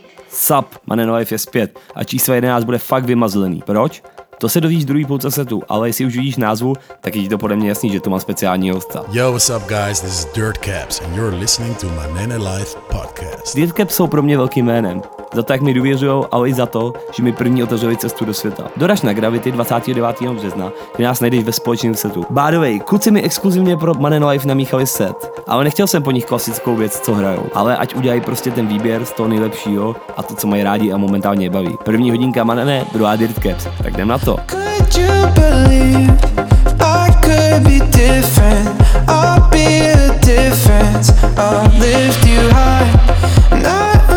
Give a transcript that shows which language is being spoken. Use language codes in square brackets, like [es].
[cs] Sup, Man in Life je zpět a číslo 11 bude fakt vymazlený. Proč? To se dovíš druhý půlce setu, ale jestli už vidíš názvu, tak je ti to podle mě jasný, že to má speciální hosta. [en] Yo, what's up guys, this is Dirt Caps and you're listening to Man in Life podcast. [cs] Dirt Caps jsou pro mě velkým jménem, za to, jak mi důvěřujou, ale i za to, že mi první otevřeli cestu do světa. Doraž na Gravity 29. března, kdy nás najdeš ve společném setu. [en] By the way, [cs] kluci mi exkluzivně pro Man in Life namíchali set, ale nechtěl jsem po nich klasickou věc, co hrajou. Ale ať udělají prostě ten výběr z toho nejlepšího a to, co mají rádi a momentálně je baví. První hodinka Man in Life, druhá Dirt Caps, tak jdem na to. [en] Could you believe I could be different? I'll be the difference, I'll lift you high.